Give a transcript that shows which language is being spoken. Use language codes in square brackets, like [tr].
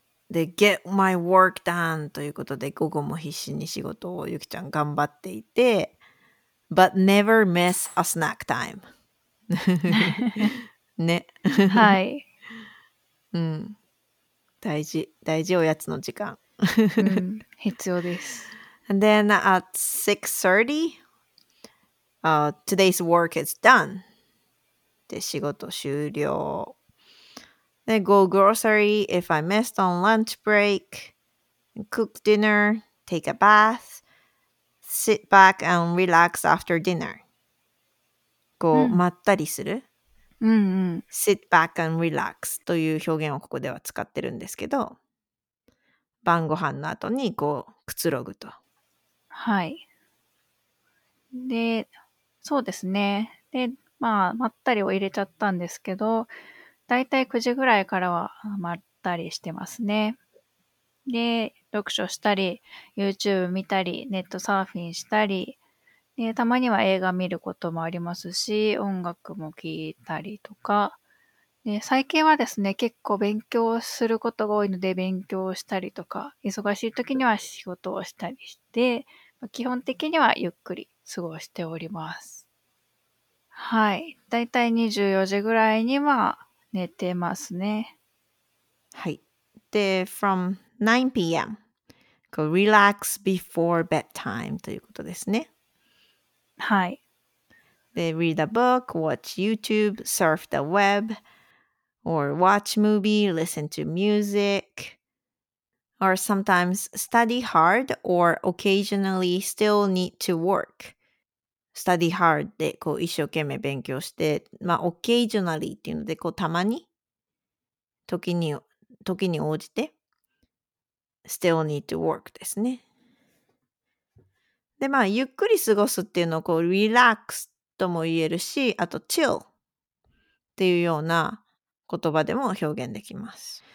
[ja] で [en] get my work done [ja] ということで午後も必死に仕事をゆきちゃん頑張っていて [en] but never miss a snack time [ja] ね、はい、うん、大事大事、おやつの時間、うん、必要です。 [en] And then at 6:30、today's work is done [ja] で仕事終了で [en] go grocery if I missed on lunch break cook dinner take a bath sit back and relax after dinner [ja] こう、うん、まったりするうんうん、 [en] sit back and relax [ja] という表現をここでは使ってるんですけど、晩ご飯の後にこうくつろぐと。はい。で、そうですね。で、まあ、まったりを入れちゃったんですけど、だいたい9時ぐらいからはまったりしてますね。で、読書したり、YouTube 見たり、ネットサーフィンしたり、でたまには映画見ることもありますし、音楽も聴いたりとか。で最近はですね、結構勉強することが多いので、勉強したりとか、忙しい時には仕事をしたりして、基本的にはゆっくり過ごしております。はい。だいたい24時ぐらいには寝てますね。はい。で、 [en] from 9 p.m. [ja] こう、 [en] relax before bedtime [ja] ということですね。はい。 [en] で、read a book, watch YouTube, surf the web, or watch movie, listen to music, or sometimes study hard, or occasionally still need to work. study hard [ja] で、こう、一生懸命勉強して、まあ、occasionally っていうので、こう、たまに、時に応じて、 [en] still need to work [ja] ですね。で、まあ、ゆっくり過ごすっていうのをこう、リラックスとも言えるし、あと、チルっていうような言葉でも表現できます。